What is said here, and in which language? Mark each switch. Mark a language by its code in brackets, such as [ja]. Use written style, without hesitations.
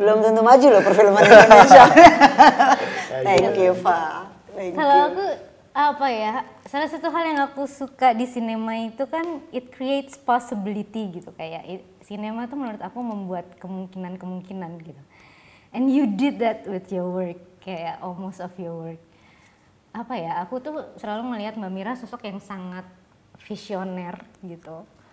[id] belum tentu maju loh perfilman Indonesia. [en] Thank you, [id] Fa. Kalau aku apa ya, salah satu hal yang aku suka di sinema itu kan [en] it creates possibility [id] gitu, kayak sinema tuh menurut aku membuat kemungkinan-kemungkinan gitu. [en] And you did that with your work, kayak almost of your work. [id] Apa ya, aku tuh selalu melihat Mbak Mira sosok yang sangat visioner gitu.